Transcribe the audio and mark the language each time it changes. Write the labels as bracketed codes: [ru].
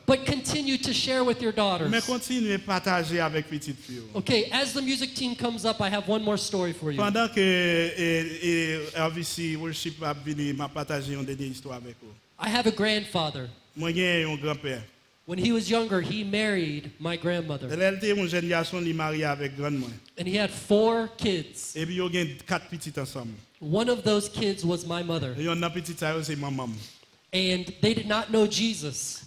[en] But continue to share with your daughters. [ht] Mais continue à partager avec petite fille. [en] Okay, as the music team comes up, I have one more story for you. [ht] Pendant que RVC worship va venir, m'a partager une dernière histoire avec vous. [en] I have a grandfather. [ht] Moi j'ai un grand-père. [en] When he was younger, he married my grandmother. And he had four kids. One of those kids was my mother. And they did not know Jesus.